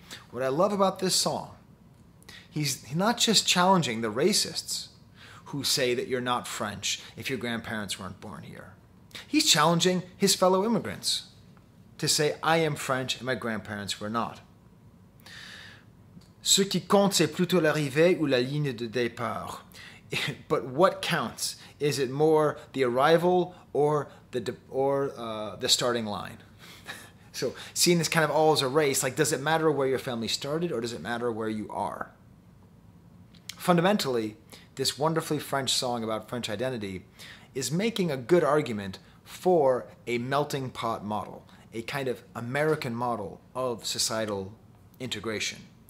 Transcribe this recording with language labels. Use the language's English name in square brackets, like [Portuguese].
[English] What I love about this song, he's not just challenging the racists who say that you're not French if your grandparents weren't born here. He's challenging his fellow immigrants to say, I am French and my grandparents were not. [French] Ce qui compte, c'est plutôt l'arrivée ou la ligne de départ. [English] But what counts? Is it more the arrival or the starting line? So seeing this kind of all as a race, like, does it matter where your family started or does it matter where you are? Fundamentally, this wonderfully French song about French identity is making a good argument for a melting pot model, a kind of American model of societal integration.